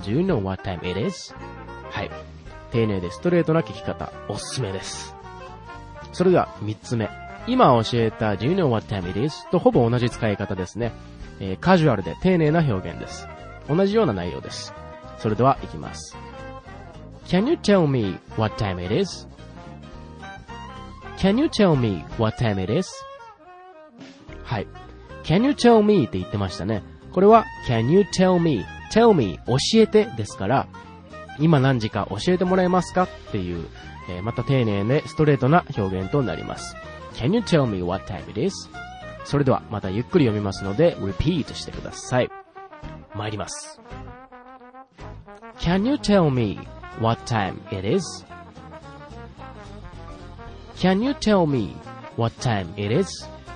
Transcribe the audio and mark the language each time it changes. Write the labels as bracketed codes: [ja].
[en] Do you know what time it is? [ja] はい、丁寧でストレートな聞き方、おすすめです。それでは3つ目。今教えた [en] Do you know what time it is? [ja] とほぼ同じ使い方ですね。カジュアルで丁寧な表現です。同じような内容です。それでは行きます。 [en] Can you tell me what time it is? Can you tell me what time it is? [ja] はい。 [en] Can you tell me? [ja] って言ってましたね。これは Can you tell me? [en] Tell me [ja] 教えてですから、今何時か教えてもらえますかっていう、また丁寧でストレートな表現となります。 [en] Can you tell me what time it is? [ja] それではまたゆっくり読みますので repeat してください。参ります。 [en] Can you tell me what time it is? Can you tell me what time it is?